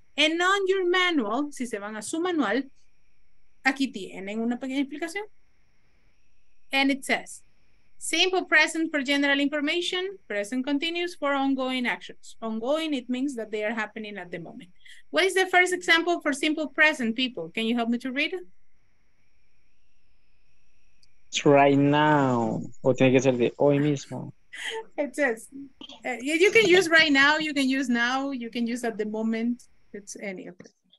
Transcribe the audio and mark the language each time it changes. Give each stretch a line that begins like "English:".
English: And on your manual,
Spanish: si se van a su manual, aquí tienen una pequeña explicación.
English: And it says, simple present for general information, present continuous for ongoing actions. Ongoing, it means that they are happening at the moment. What is the first example for simple present, people? Can you help me to read it? Right now,
Spanish: o tiene que ser de hoy mismo.
English: It says, you can use right now, you can use at the moment, it's any of it.